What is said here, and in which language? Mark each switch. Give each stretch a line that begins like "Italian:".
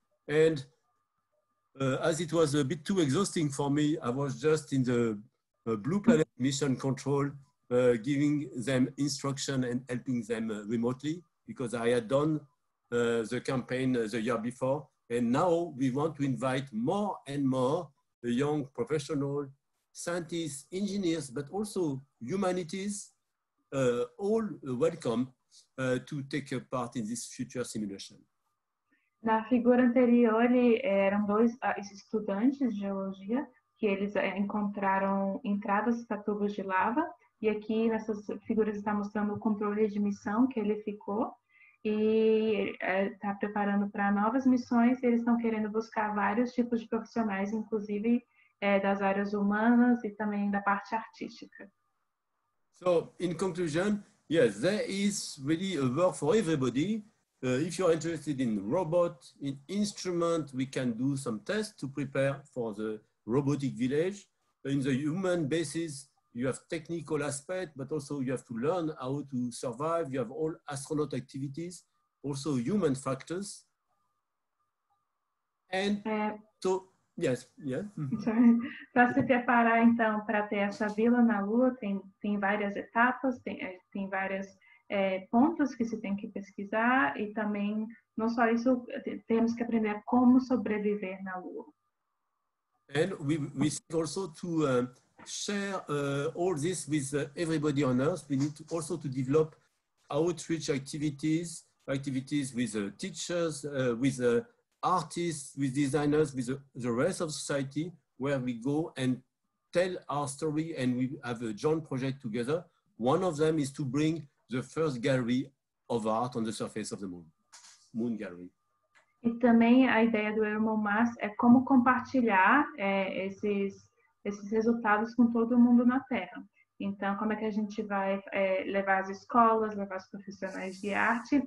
English: And as it was a bit too exhausting for me, I was just in the Blue Planet mission control, giving them instruction and helping them remotely, because I had done the campaign the year before, and now we want to invite more and more young professional scientists, engineers, but also humanities, all welcome to take a part in this future simulation.
Portuguese: Na figura anterior eram dois estudantes de geologia que eles encontraram entradas para tubos de lava, e aqui nessas figuras está mostrando o controle de missão que ele ficou. E está preparando para novas missões, e eles estão querendo buscar vários tipos de profissionais, inclusive das áreas humanas e também da parte artística.
English: So, in conclusion, yes, there is really a work for everybody. If you're interested in robot, in instrument, we can do some tests to prepare for the robotic village. In the human basis, you have technical aspect, but also you have to learn how to survive. You have all astronaut activities, also human factors. And so, yes, yeah.
Portuguese: Para se preparar, então, para ter essa vila na Lua, tem várias etapas, tem vários pontos que se tem que pesquisar, e também, não só isso, temos que aprender como sobreviver na Lua.
English: And we think also to share all this with everybody on Earth. We need to also to develop outreach activities with teachers, with artists, with designers, with the rest of society, where we go and tell our story, and we have a joint project together. One of them is to bring the first gallery of art on the surface of the moon gallery.
Portuguese: E também a ideia do Euromoon Mars é como compartilhar esses resultados com todo mundo na Terra. Então, como é que a gente vai levar as escolas, levar os profissionais de arte?